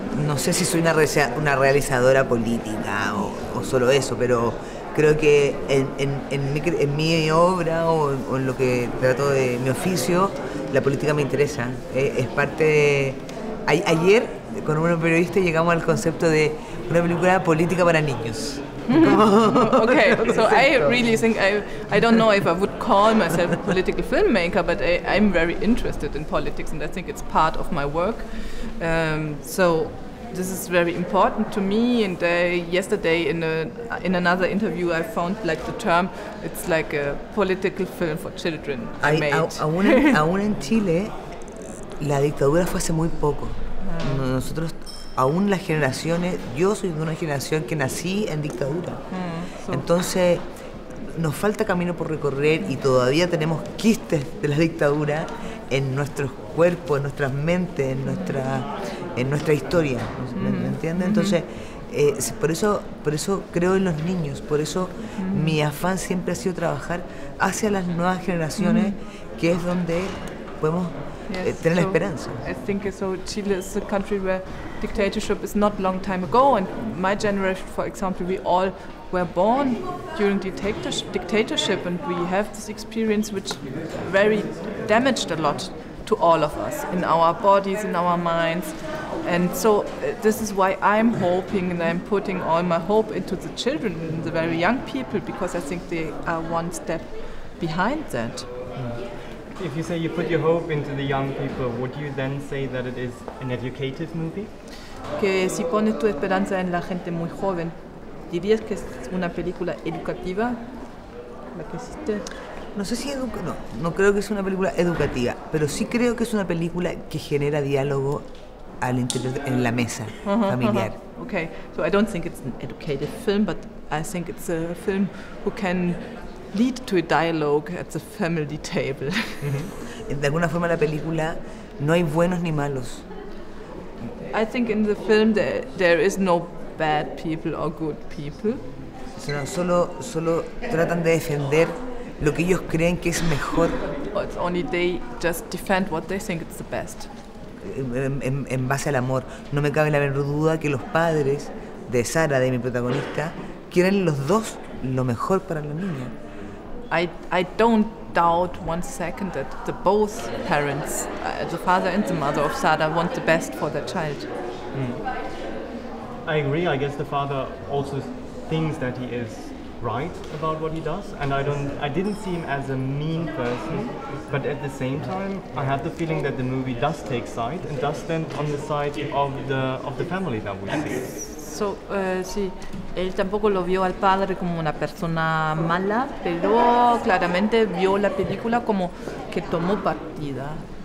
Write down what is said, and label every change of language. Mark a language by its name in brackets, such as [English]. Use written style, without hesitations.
[Spanish] No sé si soy una realizadora política o solo eso, pero creo que en mi obra o en lo que trato de mi oficio, la política me interesa. Es parte de... Ayer, con un periodista, llegamos al concepto de una película política para niños. [English] Okay, so I really think I don't know if I would call myself a political filmmaker, but I'm very interested in politics, and I think it's part of my work. So this is very important to me. And yesterday in another interview, I found like the term, it's like a political film for children. [Spanish] Aún en Chile, la dictadura fue hace muy poco. Nosotros aún las generaciones, yo soy de una generación que nací en dictadura. Entonces, nos falta camino por recorrer, y todavía tenemos quistes de la dictadura en nuestros cuerpos, en nuestras mentes, en nuestra historia. ¿Me entiendes? Entonces, por eso creo en los niños, por eso mi afán siempre ha sido trabajar hacia las nuevas generaciones, que es donde podemos... [English] I think so. Chile is a country where dictatorship is not long time ago, and my generation, for example, we all were born during dictatorship, and we have this experience which very damaged a lot to all of us, in our bodies, in our minds. And so this is why I'm hoping, and I'm putting all my hope into the children, and the very young people, because I think they are one step behind that. if you say you put your hope into the young people, would you then say that it is an educative movie? [Spanish] Que si pones tu esperanza en la gente muy joven, ¿dirías que es una película educativa? ¿La que hiciste? No sé si no creo que es una película educativa, pero sí creo que es una película que genera diálogo al interior en la mesa familiar. [English] Okay, so I don't think it's an educative film, but I think it's a film who can lead to a dialogue at the family table. [Spanish] De alguna forma la película no hay buenos ni malos. [English] I think in the film there is no bad people or good people. [Spanish] Sino solo tratan de defender lo que ellos creen que es mejor. [English] It's only they just defend what they think it's the best. [Spanish] En base al amor, no me cabe la menor duda que los padres de Sara, de mi protagonista, quieren los dos lo mejor para la niña. [English] I don't doubt one second that the both parents, the father and the mother of Sara, want the best for their child. I agree. I guess the father also thinks that he is right about what he does, and I didn't see him as a mean person, but at the same time I had the feeling that the movie does take side and does stand on the side of the family that we see. [Spanish] So sí, él tampoco lo vio al padre como una persona mala, pero claramente vio la película como que tomó partida.